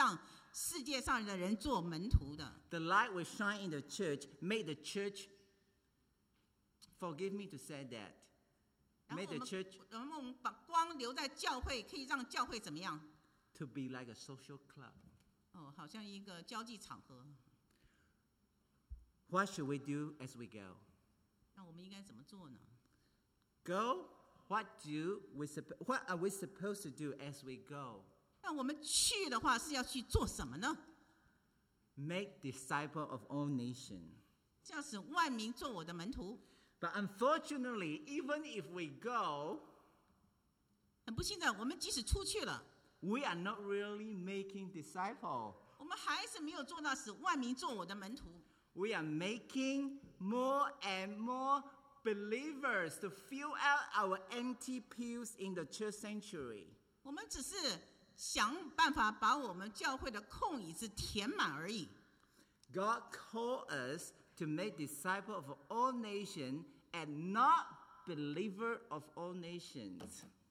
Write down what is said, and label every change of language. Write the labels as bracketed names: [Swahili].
[Chinese] 他提的那大串的事情可以让世界上的人做门徒的。 [English] The light will shine in the church, made the church, forgive me to say that, made the church, [Chinese] 然后我们把光留在教会可以让教会怎么样？ [English] To be like a social club. [Chinese] 好像一个交际场合。 [English] What should we do as we go? [Chinese] 那我们应该怎么做呢？ [English] Go? What are we supposed to do as we go? [Chinese] 那我们去的话是要去做什么呢？ [English] Make disciples of all nations. [Chinese] 叫使万民做我的门徒。 [English] But unfortunately, even if we go, [Chinese] 很不幸的，我们即使出去了， [English] we are not really making disciples. [Chinese] 我们还是没有做到使万民做我的门徒。 [English] We are making more and more believers to fill out our empty pews in the church sanctuary. [Chinese] 我们只是想办法把我们教会的空椅子填满而已。 [English] God called us to make disciples of all nations and not believers of all nations.